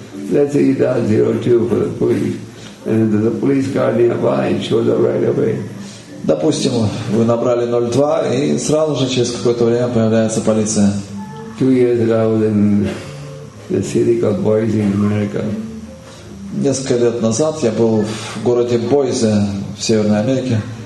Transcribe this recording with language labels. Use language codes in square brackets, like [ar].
[en] Let's say you dial 02 for the police, and if there's a police car nearby, it shows up right away. [ru] Допустим, вы набрали 02, и сразу же через какое-то время появляется полиция. [en] Two years ago, I was in the city called Boise in America. [ru] Несколько лет назад я был в городе Бойзе в Северной Америке.